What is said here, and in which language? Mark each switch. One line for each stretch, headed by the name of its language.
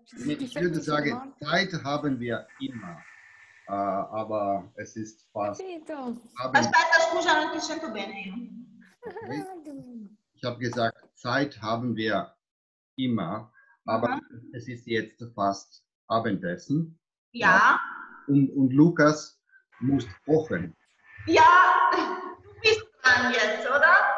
German: Ich würde sagen, Zeit haben wir immer. Aber es ist fast...
Italian: Aspetta, scusa, non ti sento bene.
German: Ich habe gesagt, Zeit haben wir immer. Aber es ist jetzt fast Abendessen. Ja. Und Lukas muss kochen. Ja, du bist dran jetzt, oder?